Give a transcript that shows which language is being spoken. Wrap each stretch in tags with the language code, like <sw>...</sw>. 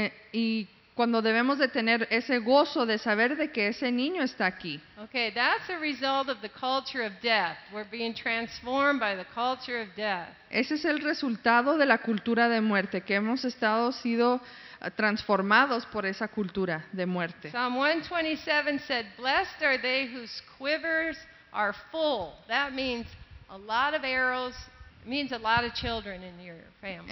<es>Y cuando debemos de tener ese gozo de saber de que ese niño está aquí.</es> <en>Okay, that's a result of the culture of death. We're being transformed by the culture of death.</en> <es>Ese es el resultado de la cultura de muerte, que hemos estado sido transformados por esa cultura de muerte.</es> <en>Psalm 127 said, "Blessed are they whose quivers are full." That means a lot of arrows. It means a lot of children in your family.</en>